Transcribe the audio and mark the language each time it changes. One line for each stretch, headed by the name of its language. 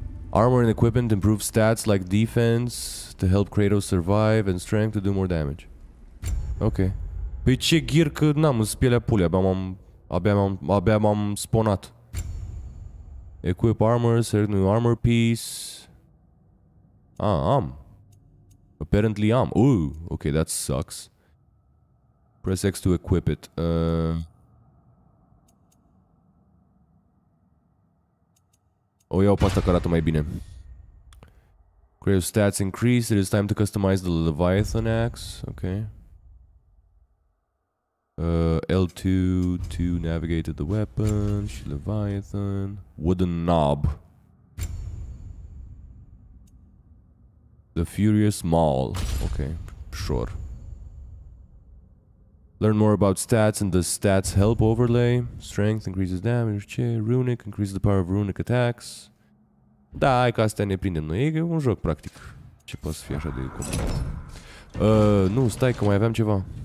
English: Armor and equipment improve stats like defense to help Kratos survive and strength to do more damage. Ok.
Romanian: Păi ce gear că n-am în spielea pulii, abia m-am sponat.
English: Equip armor, select new armor piece. Ah, am. Apparently am. Ooh, ok, that sucks. Press X to equip it.
Romanian: O iau pe asta că arată mai bine.
English: Kratos stats increase, it is time to customize the Leviathan axe. Ok. L2 to navigate to the weapon. Și Leviathan. Wooden knob. The Furious Maul. Ok, sure. Learn more about stats and the stats help overlay. Strength increases damage. Ce? Runic increases the power of runic attacks.
Romanian: Da, hai că astea ne prindem noi. E un joc, practic. Ce poate să fie așa de complicat? Nu, stai că mai aveam ceva.